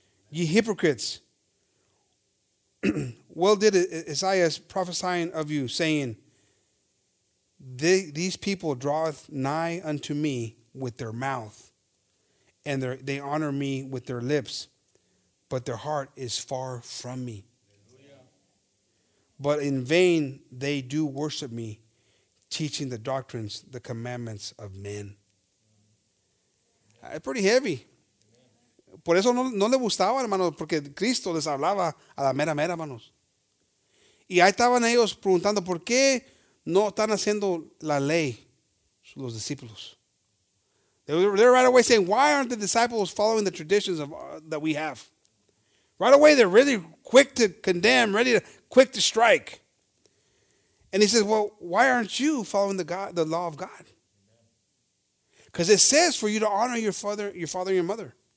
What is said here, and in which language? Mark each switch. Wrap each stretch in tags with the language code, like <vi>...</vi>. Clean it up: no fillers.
<en>Ye hypocrites, well did Isaiah prophesying of you, saying, these people draweth nigh unto me with their mouth, and they honor me with their lips, but their heart is far from me. But in vain they do worship me, teaching the doctrines, the commandments of men. Pretty heavy.</en> <es>Por eso no le gustaba, hermanos, porque Cristo les hablaba a la mera, hermanos. Y ahí estaban ellos preguntando, ¿por qué no están haciendo la ley los discípulos?</es> <en>They're right away saying, why aren't the disciples following the traditions of that we have? Right away, they're really quick to condemn, quick to strike. And he says, well, why aren't you following the law of God? Because it says for you to honor your father and your mother.</en>